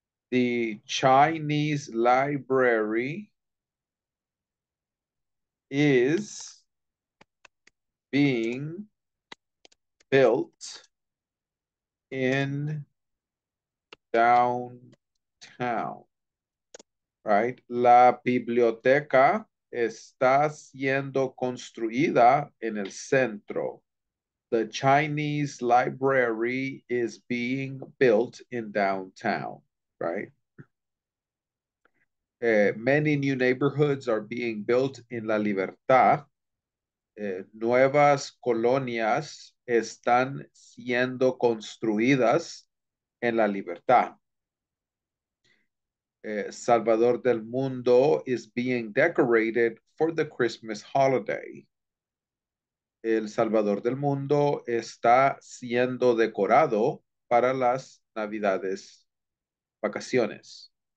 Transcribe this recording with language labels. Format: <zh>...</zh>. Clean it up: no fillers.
<en>The Chinese library is being built in downtown, right?</en> <es>La biblioteca está siendo construida en el centro.</es> <en>The Chinese library is being built in downtown, right? Many new neighborhoods are being built in La Libertad.</en> <es>Nuevas colonias están siendo construidas en La Libertad.</es> <en>Salvador del Mundo is being decorated for the Christmas holiday.</en> <es>El Salvador del Mundo está siendo decorado para las Navidades vacaciones.</es>